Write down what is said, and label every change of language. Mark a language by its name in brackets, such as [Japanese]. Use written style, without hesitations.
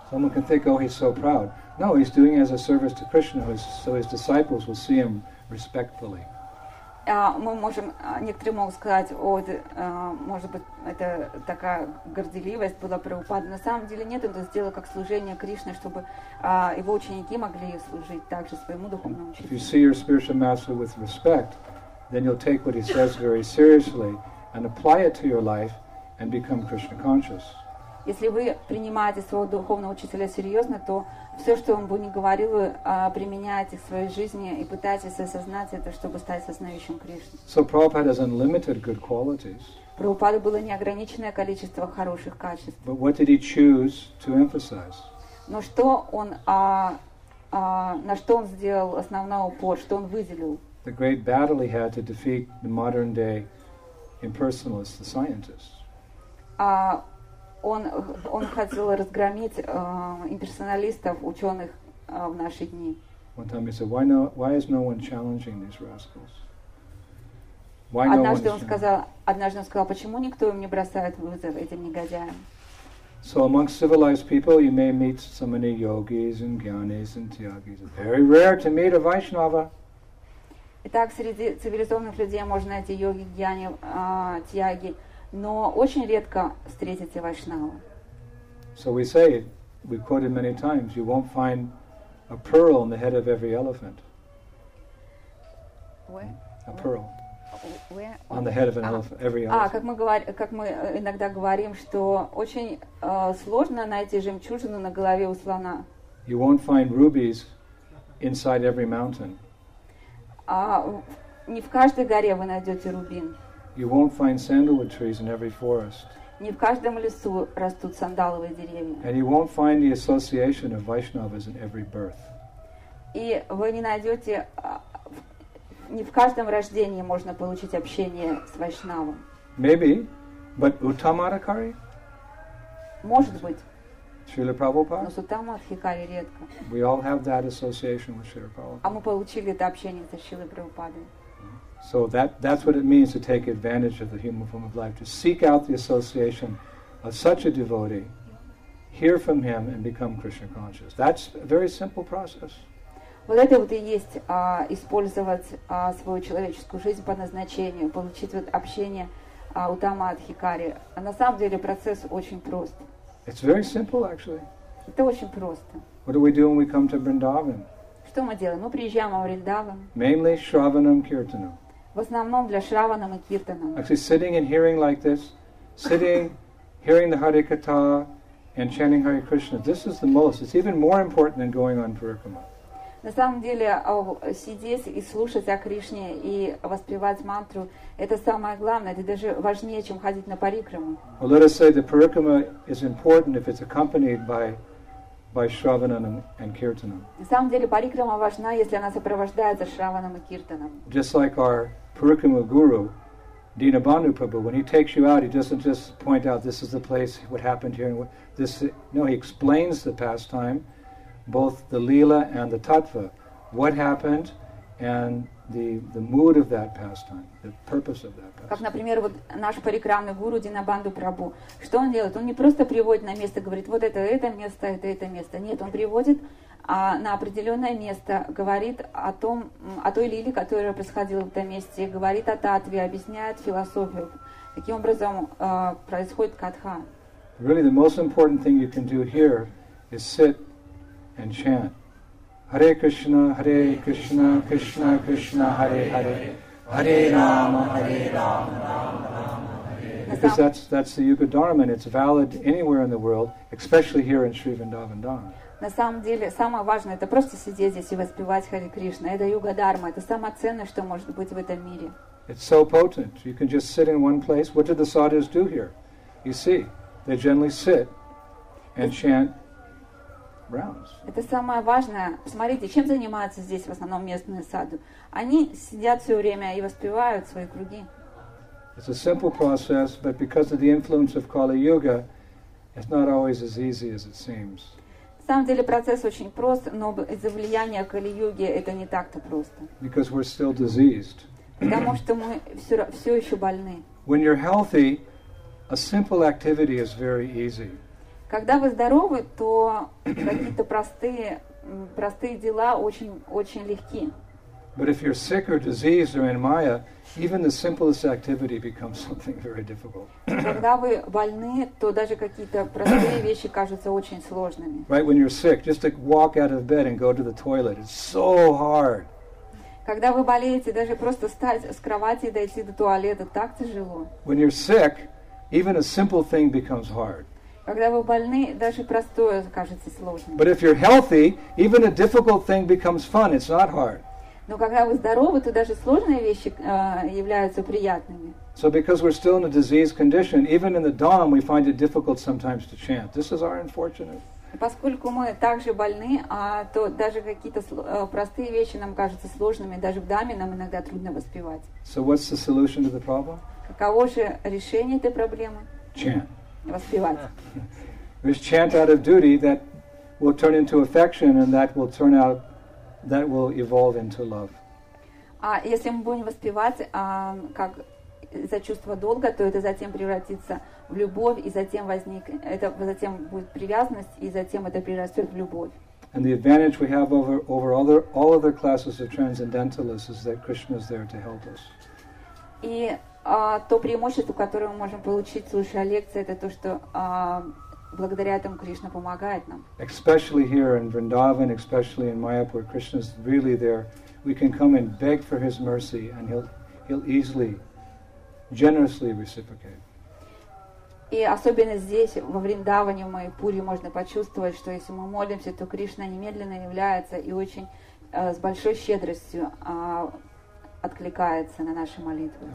[English] Someone can think, oh, he's so proud. No, he's doing it as a service to Krishna, so his disciples will see him respectfully. [Russian] Мы можем, некоторые могут сказать, о, может быть, это такая горделивость была Прабхупада. На самом деле нет, он это сделал как служение Кришне, чтобы его ученики могли служить также своему духовному учителю. [English] If you see your spiritual master with respect, then you'll take what he says very seriously and apply it to your life and become Krishna conscious. [Russian] Если вы принимаете своего духовного учителя серьезно, то все, что он бы ни говорил, вы применяете в своей жизни и пытаетесь осознать это, чтобы стать сознающим Кришной. [English] So Prabhupada has unlimited good qualities. [Russian] Прабхупаде было неограниченное количество хороших качеств. [English] But what did he choose to emphasize? [Russian] Но что он, на что он сделал основной упор, что он выделил? [English] The great battle he had to defeat the modern day impersonalists, the scientists. [Russian] Он хотел разгромить имперсоналистов, ученых в наши дни. [English] One time he said, why is no one challenging these rascals? [Russian] Однажды он сказал, почему никто им не бросает вызов этим негодяям? [English] So amongst civilized people you may meet so many yogis and gyanis and tyagis. It's very rare to meet a Vaishnava. [Russian] Итак, среди цивилизованных людей можно найти йоги, гьяни, тьяги, но очень редко встретите вайшнава. [English] So we say it, we quoted many times, you won't find a pearl in the head of every elephant. Where? Pearl. Where? On the head of an elephant, every elephant. [Russian] Как мы иногда говорим, что очень сложно найти жемчужину на голове у слона. [English] You won't find rubies inside every mountain. [Russian] Не в каждой горе вы найдете рубин. [English] You won't find sandalwood trees in every forest. [Russian] Не в каждом лесу растут сандаловые деревья. [English] And you won't find the association of Vaishnavas in every birth. [Russian] И вы не найдете, не в каждом рождении можно получить общение с Вайшнавом. [English] Maybe, but Uttamadhikari? [Russian] Может быть. [English] Srila Prabhupada? [Russian] Но с Uttamadhikari редко. [English] We all have that association with Srila Prabhupada. [Russian] А мы получили это общение с Шрилой Прабхупадой. [English] So that's what it means to take advantage of the human form of life, to seek out the association of such a devotee, hear from him, and become Krishna conscious. That's a very simple process. [Russian] Вот это вот и есть использовать свою человеческую жизнь по назначению, получить вот общение Уттамадхикари. А на самом деле процесс очень прост. [English] It's very simple, actually. [Russian] Это очень просто. [English] What do we do when we come to Vrindavan? [Russian] Что мы делаем? Мы приезжаем во Вриндаван. [English] Mainly Shravanam Kirtanam. [Russian] В основном для Шраванам и Киртанам. [English] Actually, sitting and hearing like this, sitting, hearing the Hare Katha and chanting Hare Krishna, this is the most, it's even more important than going on Parikrama. [Russian] На самом деле, сидеть и слушать о Кришне и воспевать мантру, это самое главное, это даже важнее, чем ходить на парикраму. [English] Well, let us say the Parikrama is important if it's accompanied by Shravanam and Kirtanam. [Russian] На самом деле, парикрама важна, если она сопровождается Шраванам и Киртанам. [English] Just like our Parikrama guru, Dinabandhu Prabhu, when he takes you out, he doesn't just point out this is the place, what happened here, and this. No, he explains the pastime, both the lila and the tattva, what happened and the mood of that pastime, the purpose of that pastime. [Russian] Как, например, вот наш парикрамный гуру Динабанду Прабу, что он делает? Он не просто приводит на место, говорит, вот это место, это место. Нет, он приводит на определенное место, говорит о том, о той лиле, которая происходила в этом месте, говорит о татве, объясняет философию. Таким образом происходит катха. [English] Really, the most important thing you can do here is sit and chant. [Sanskrit] Hare Krishna, Krishna, Krishna, Hare Hare, Hare Rama, Hare Rama, Rama Rama, Hare Hare. [English] Because that's the Yuga Dharma, and it's valid anywhere in the world, especially here in Sri Vrindavan Dharma. [Russian] На самом деле, самое важное, это просто сидеть здесь и воспевать Хари Кришна. Это Юга Дарма, это самое ценное, что может быть в этом мире. [English] It's so potent. You can just sit in one place. What did the sadhus do here? You see, they generally sit and chant rounds. [Russian] Это самое важное. Посмотрите, чем занимаются здесь в основном местные саду. Они сидят все время и воспевают свои круги. [English] It's a simple process, but because of the influence of Kali Yuga, it's not always as easy as it seems. [Russian] На самом деле процесс очень прост, но из-за влияния Кали-юги это не так-то просто. [English] Because we're still diseased. [Russian] Потому что мы все еще больны. [English] When you're healthy, a simple activity is very easy. [Russian] Когда вы здоровы, то какие-то простые дела очень легки. [English] But if you're sick or diseased or in Maya, even the simplest activity becomes something very difficult. [Russian] Когда вы больны, то даже какие-то простые вещи кажутся очень сложными. [English] Right, when you're sick, just to walk out of bed and go to the toilet, it's so hard. [Russian] Когда вы болеете, даже просто встать с кровати и дойти до туалета, так тяжело. [English] When you're sick, even a simple thing becomes hard. [Russian] Когда вы больны, даже простое кажется сложным. [English] But if you're healthy, even a difficult thing becomes fun. It's not hard. [Russian] Но когда вы здоровы, то даже сложные вещи являются приятными. [English] So because we're still in a disease condition, even in the dawn, we find it difficult sometimes to chant. This is our unfortunate. [Russian] Поскольку мы также больны, а то даже какие-то простые вещи нам кажутся сложными, даже в даме нам иногда трудно воспевать. [English] So what's the solution to the problem? [Russian] Каково же решение этой проблемы? [English] Chant. [Russian] Воспевать. [English] There's chant out of duty that will turn into affection, and that will turn out, that will evolve into love. [Russian] А если мы будем воспевать, как за чувство долга, то это затем превратится в любовь, и затем затем будет привязанность, и затем это перерастет в любовь. [English] And the advantage we have over all other classes of transcendentalists is that Krishna is there to help us. [Russian] И то преимущество, которое мы можем получить, слушая лекции, это то, что благодаря этому Кришна помогает нам. [English] Especially here in Vrindavan, especially in Mayapur, Krishna is really there. We can come and beg for his mercy, and he'll easily, generously reciprocate. [Russian] И особенно здесь, во Вриндаване, в Майпуре, можно почувствовать, что если мы молимся, то Кришна немедленно является и очень с большой щедростью откликается на наши молитвы.